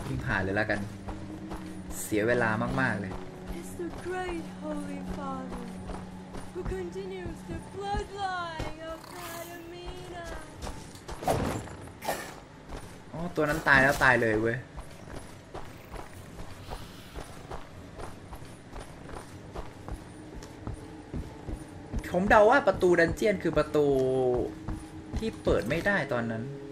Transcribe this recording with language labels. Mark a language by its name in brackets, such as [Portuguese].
[Thai] ผ่านเลยแล้วกันเสียเวลามากๆเลย [English] It's the great holy father who continues the bloodline of Adamina [Thai] ตัวนั้นตายแล้วตายเลยเว้ยผมเดาว่าประตูดันเจียนคือประตูที่เปิดไม่ได้ตอนนั้น